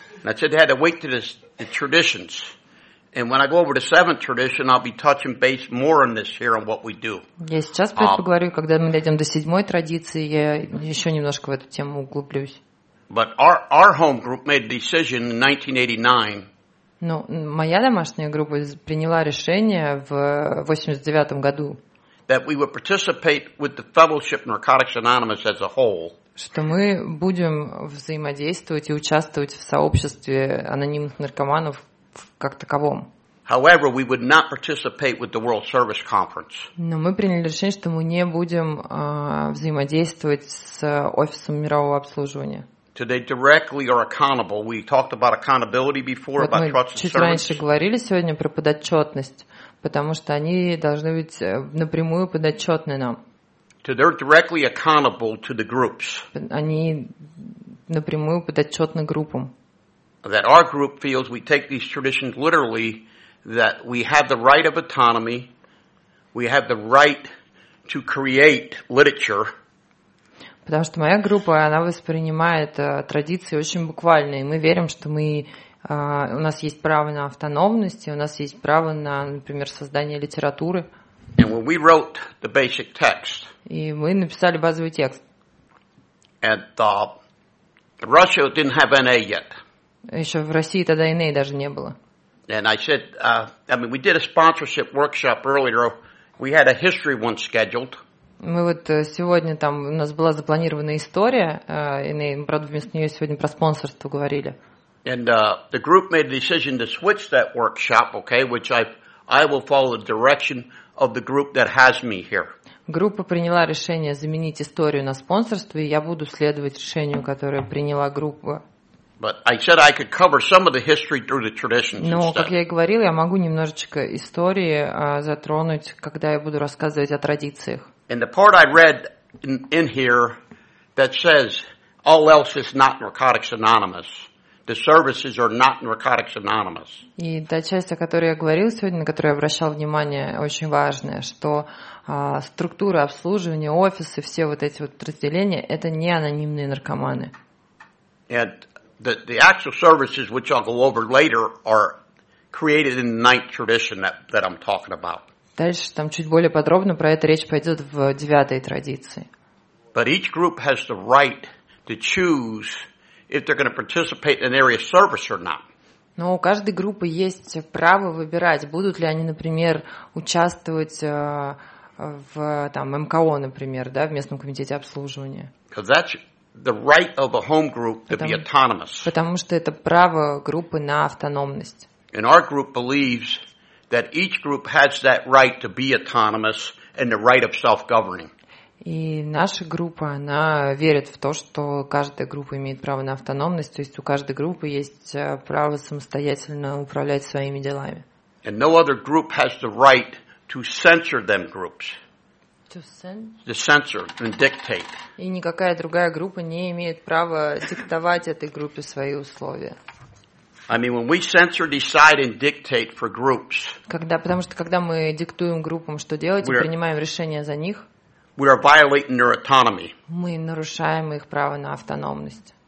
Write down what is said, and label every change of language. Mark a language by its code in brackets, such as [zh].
[en] And I said they had to wait to the traditions. And when I go over the seventh tradition, I'll be touching base more on this here on what we do. [ru] Я сейчас про это поговорю, когда мы дойдем до седьмой традиции, я еще немножко в эту тему углублюсь. [en] But our home group made a decision in 1989. [ru] Ну, моя домашняя группа приняла решение в 89-м году. [en] That we would participate with the Fellowship Narcotics Anonymous as a whole. [ru] Что мы будем взаимодействовать и участвовать в сообществе анонимных наркоманов как таковом. [en] However, we would not participate with the World Service Conference. [ru] Но мы приняли решение, что мы не будем взаимодействовать с офисом мирового обслуживания. [en] Today directly are accountable. We talked about accountability before, about trust and service. [ru] Чуть раньше говорили сегодня про подотчетность, потому что они должны быть напрямую подотчетны нам. [en] So they're directly accountable to the groups. [ru] Они напрямую подотчетны группам. [en] That our group feels we take these traditions literally, that we have the right of autonomy, we have the right to create literature. [ru] Потому что моя группа, она воспринимает традиции очень буквально, и мы верим, что мы У нас есть право на автономность, и у нас есть право на, например, создание литературы. [en] And when we wrote the basic text, [ru] и мы написали базовый текст. [en] And Russia didn't have NA yet. [ru] Еще в России тогда NA даже не было. [en] And I said, we did a sponsorship workshop earlier. We had a history one scheduled. [ru] Мы вот сегодня там, у нас была запланирована история, NA, мы, правда, вместо нее сегодня про спонсорство говорили. [en] And the group made a decision to switch that workshop, okay, which I will follow the direction of the group that has me here. [ru] Группа приняла решение заменить историю на спонсорство, и я буду следовать решению, которое приняла группа. [en] But I said I could cover some of the history through the traditions instead. [ru] Но, как я и говорил, я могу немножечко истории затронуть, когда я буду рассказывать о традициях. [en] And the part I read in here that says all else is not Narcotics Anonymous. The services are not Narcotics Anonymous. [ru] И та часть, о которой я говорил сегодня, на которую я обращал внимание, очень важная, что структура обслуживания, офисы, все вот эти вот разделения, это не анонимные наркоманы. [en] And the actual services, which I'll go over later, are created in the ninth tradition that I'm talking about. [ru] Дальше там чуть более подробно про это речь пойдет в девятой традиции. [en] But each group has the right to choose if they're going to participate in an area service or not. [ru] Но у каждой группы есть право выбирать, будут ли они, например, участвовать в там МКО, например, да, в местном комитете обслуживания. [en] Because that's the right of a home group to be autonomous. [ru] Потому что это право группы на автономность. [en] And our group believes that each group has that right to be autonomous and the right of self-governing. [ru] И наша группа, она верит в то, что каждая группа имеет право на автономность, то есть у каждой группы есть право самостоятельно управлять своими делами. [en] And no other group has the right to censor them groups. To censor and dictate. [ru] И никакая другая группа не имеет права диктовать этой группе свои условия. [en] I mean, when we censor, decide, and dictate for groups. [ru] Когда, потому что когда мы диктуем группам, что делать, и принимаем решения за них. [en] We are violating their autonomy. [ru] Мы нарушаем их право на автономность.